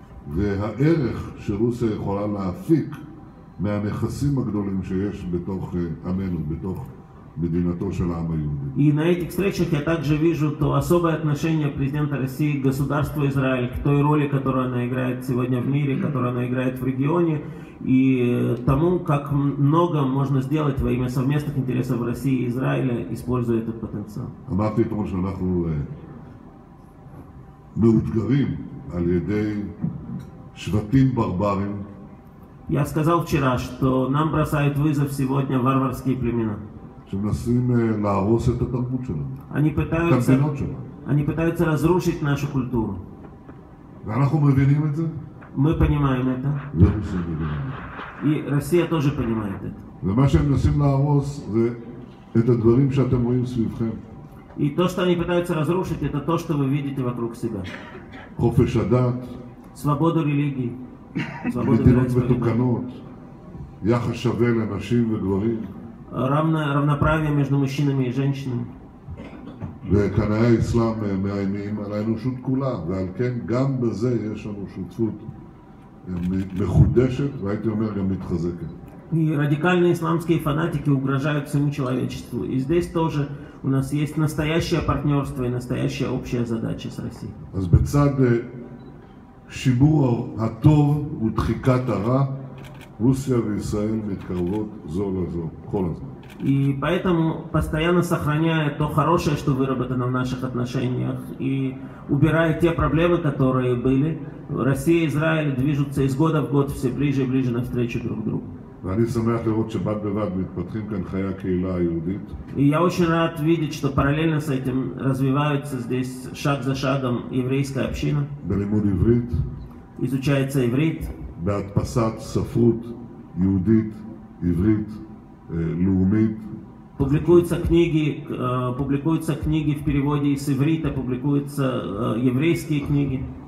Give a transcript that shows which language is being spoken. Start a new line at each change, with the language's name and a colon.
Hebrew: והערך שרוסיה יכולה להפיק מהנכסים הגדולים שיש בתוך עמנו, בתוך מדינתו של העם היהודי.
Russian: И на этих встречах я также вижу то особое отношение президента России к государству Израиль, к той роли, которую она играет сегодня в мире, которую она играет в регионе, и тому, как много можно сделать во имя совместных интересов России и Израиля, используя этот потенциал.
Hebrew: אמרתי,
Russian: потому что
Hebrew: אנחנו מאותגרים על ידי שבטים ברברים.
Russian: Я сказал вчера, что нам бросают вызов сегодня варварские племена.
Hebrew: שמנסים להרוס את התרבות שלנו. אני פתאום
Russian: разрушить нашу культуру.
Hebrew: ואנחנו מבינים את זה?
Russian: Мы понимаем это. Русские понимают. И Россия тоже понимает это.
Hebrew: ומה שמנסים להרוס זה את הדברים שאתם רואים סביבכם.
Russian: И то, что они пытаются разрушить, это то, что вы видите вокруг себя.
Hebrew: חופש הדת.
Russian: Свобода религии.
Hebrew: מדינות מתוקנות, יחס שווה לנשים וגברים,
Russian: равноправие между мужчинами и женщинами.
Hebrew: וקנאי האסלאם מאיימים על האנושות כולה, ועל כן גם בזה יש לנו שותפות מחודשת, והייתי אומר גם מתחזקת.
Russian: И радикальные исламские фанатики угрожают всему человечеству. И здесь тоже у нас есть настоящее партнерство и настоящая общая задача с Россией.
Hebrew: אז בצד שיבור הטוב ודחיקת הרע, רוסיה וישראל מתקרבות זו לזו, כל הזמן.
Russian: И поэтому, постоянно сохраняя то хорошее, что выработано в наших отношениях, и убирая те проблемы, которые были, Россия и Израиль движутся из года в год все ближе и ближе навстречу друг другу.
Hebrew: ואני שמח לראות שבד בבד מתפתחים כאן חיי הקהילה היהודית.
Russian: И я очень рад видеть, что параллельно с этим развивается здесь шаг за шагом еврейская община.
Hebrew: בלימוד עברית.
Russian: Изучается иврит.
Hebrew: בהדפסת ספרות יהודית, עברית, לאומית.
Russian: Публикуются книги в переводе с иврита, публикуются еврейские книги.